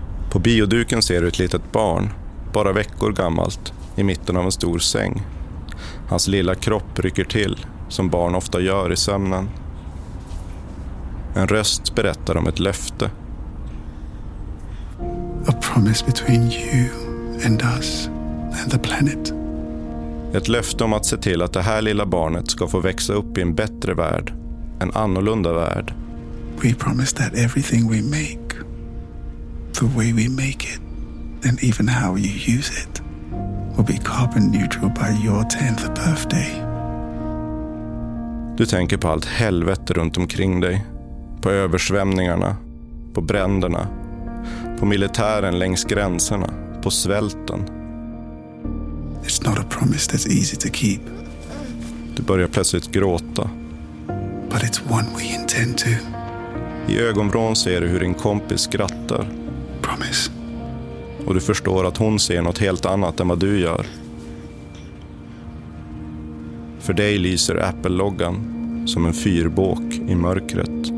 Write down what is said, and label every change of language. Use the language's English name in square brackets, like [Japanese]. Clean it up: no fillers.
[Swedish] På bioduken ser du ett litet barn, bara veckor gammalt, i mitten av en stor säng. Hans lilla kropp rycker till, som barn ofta gör i sömnen. En röst berättar om ett löfte. [English] A promise between you and us and the planet. [Swedish] Ett löfte om att se till att det här lilla barnet ska få växa upp i en bättre värld, en annorlunda värld. [English] We promise that everything we make, the way we make it and even how you use it will be carbon neutral by your 10th birthday. [Swedish] Du tänker på allt helvete runt omkring dig. På översvämningarna, på bränderna, på militären längs gränserna, på svälten. [English] It's not a promise that's easy to keep. [Swedish] Du börjar plötsligt gråta. [English] But it's one we intend to. [Swedish] I ögonvrån ser du hur din kompis skrattar. [English] Promise. [Swedish] Och du förstår att hon ser något helt annat än vad du gör. För dig lyser Apple-loggan som en fyrbåk i mörkret.